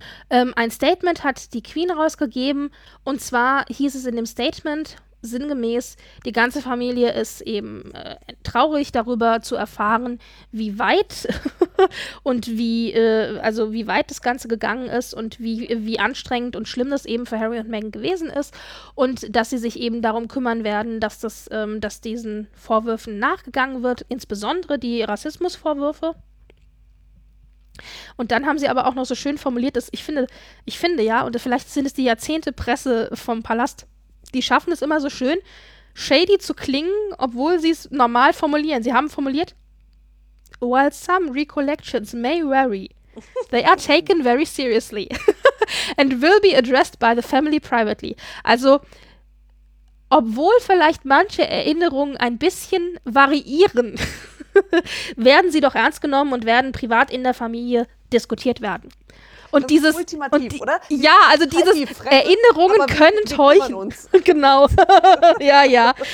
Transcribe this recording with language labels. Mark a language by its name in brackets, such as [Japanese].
[German] Ein Statement hat die Queen rausgegeben und zwar hieß es in dem Statement, sinngemäß, die ganze Familie ist eben traurig darüber zu erfahren, wie weit und wie weit das Ganze gegangen ist und wie anstrengend und schlimm das eben für Harry und Meghan gewesen ist und dass sie sich eben darum kümmern werden, dass das dass diesen Vorwürfen nachgegangen wird, insbesondere die Rassismusvorwürfe. Und dann haben sie aber auch noch so schön formuliert, dass ich finde ja, und vielleicht sind es die Jahrzehnte Presse vom Palast, die schaffen es immer so schön, shady zu klingen, obwohl sie es normal formulieren. Sie haben formuliert, [English] while some recollections may vary, they are taken very seriously and will be addressed by the family privately. [German] Also, obwohl vielleicht manche Erinnerungen ein bisschen variieren, werden sie doch ernst genommen und werden privat in der Familie diskutiert werden. Und das dieses ist ultimativ, und die, oder? Ja, also dieses die Fremde, Erinnerungen können täuschen. Genau. Ja, ja.